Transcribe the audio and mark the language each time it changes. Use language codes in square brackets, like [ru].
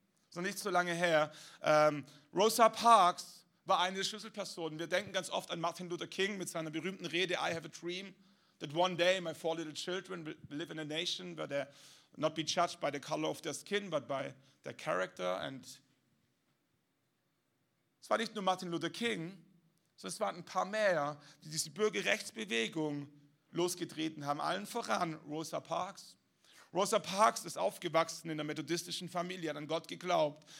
[de] So nicht so lange her. Rosa Parks war eine der Schlüsselpersonen. Wir denken ganz oft an Martin Luther King mit seiner berühmten Rede, [en] I have a dream that one day my four little children will live in a nation where they not be judged by the color of their skin, but by their character. [de] And es war nicht nur Martin Luther King, sondern es waren ein paar mehr, die diese Bürgerrechtsbewegung losgetreten haben. Allen voran Rosa Parks. Rosa Parks ist aufgewachsen in einer methodistischen Familie, hat an Gott geglaubt.